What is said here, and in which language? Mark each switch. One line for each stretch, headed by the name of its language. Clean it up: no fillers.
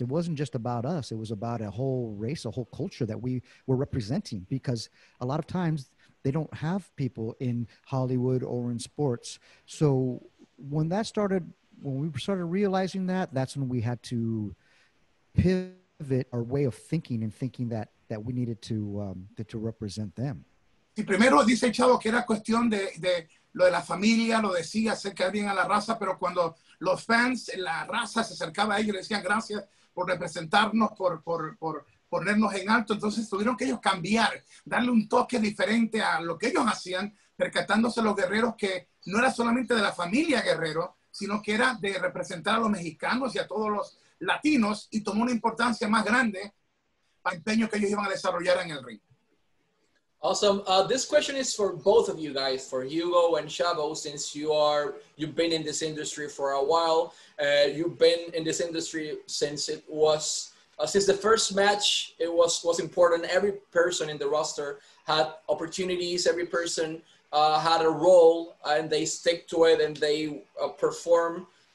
English: It wasn't just about us. It was about a whole race, a whole culture that we were representing, because a lot of times they don't have people in Hollywood or in sports. So when that started, when we started realizing that, that's when we had to pivot our way of thinking and thinking that we needed to represent them.
Spanish: Y primero dice el Chavo que era cuestión de lo de la familia, lo decía, acercar bien a la raza, pero cuando los fans, la raza se acercaba a ellos, le decían gracias por representarnos, por ponernos en alto. Entonces tuvieron que ellos cambiar, darle un toque diferente a lo que ellos hacían, percatándose los guerreros que no era solamente de la familia Guerrero, sino que era de representar a los mexicanos y a todos los latinos, y tomó una importancia más grande al empeño que ellos iban a desarrollar en el ring.
English: Awesome. This question is for both of you guys, for Hugo and Chavo, since you've been in this industry for a while. You've been in this industry since it was, since the first match, it was important. Every person in the roster had opportunities. Every person had a role, and they stick to it, and they perform.